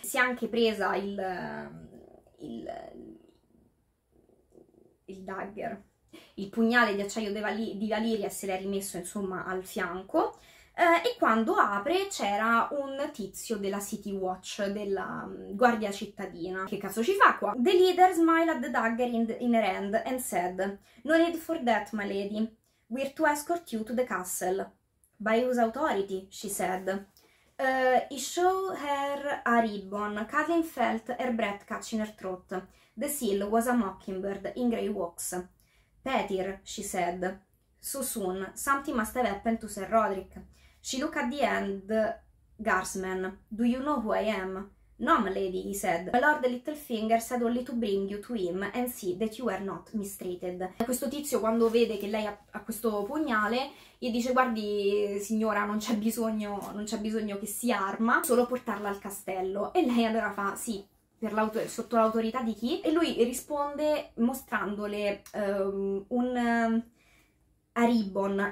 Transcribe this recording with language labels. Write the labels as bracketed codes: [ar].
[it] Si è anche presa il dagger, il pugnale di acciaio di Valiria, se l'è rimesso insomma al fianco. E quando apre c'era un tizio della City Watch, della guardia cittadina. Che cazzo ci fa qua? [en] The leader smiled at the dagger in her hand and said: No need for that, my lady. We're to escort you to the castle. By whose authority? She said. He showed her a ribbon. Catelyn felt her breath catch in her throat. The seal was a mockingbird in grey wax. Petyr, she said. So soon, something must have happened to Sir Roderick. She looked at the guardsman. Do you know who I am? No, my lady, he said. My lord Littlefinger said only to bring you to him and see that you are not mistreated. [it] Questo tizio, quando vede che lei ha questo pugnale, gli dice: guardi, signora, non c'è bisogno, non c'è bisogno che si arma, solo portarla al castello. E lei allora fa: sì, sotto l'autorità di chi? E lui risponde mostrandole un Aribon.